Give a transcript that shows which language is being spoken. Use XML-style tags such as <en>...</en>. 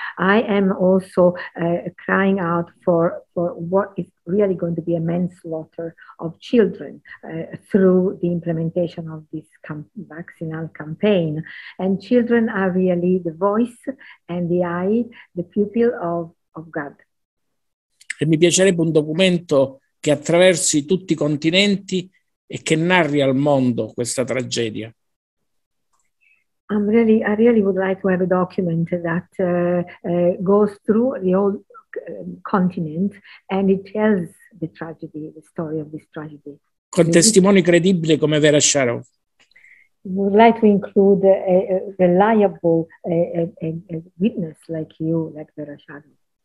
<en>I am also crying out for what is really going to be a manslaughter of children through the implementation of this vaccinal campaign. And children are really the voice and the eye, the pupil of God.</en> <it>E mi piacerebbe un documento che attraversi tutti i continenti e che narri al mondo questa tragedia.</it> <en>I really would like to have a document that goes through the whole continent and it tells the tragedy, the story of this tragedy.</en> <it>Con testimoni credibili come Vera Sharov.</it> <en>I would like to include a reliable a witness like you, like Vera Sharov.</en>